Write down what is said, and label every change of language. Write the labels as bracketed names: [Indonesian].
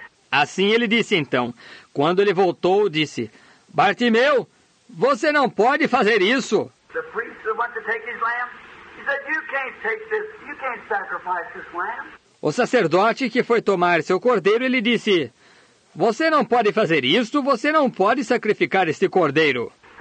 [Portuguese] Assim ele disse então. Quando ele voltou, disse, Bartimeu, você não pode fazer isso. [English] The priest that went to take his lamb, he said, you can't take this, you can't sacrifice this lamb. [Portuguese] O sacerdote que foi tomar seu cordeiro, ele disse, você não pode fazer isto, você não pode sacrificar este cordeiro.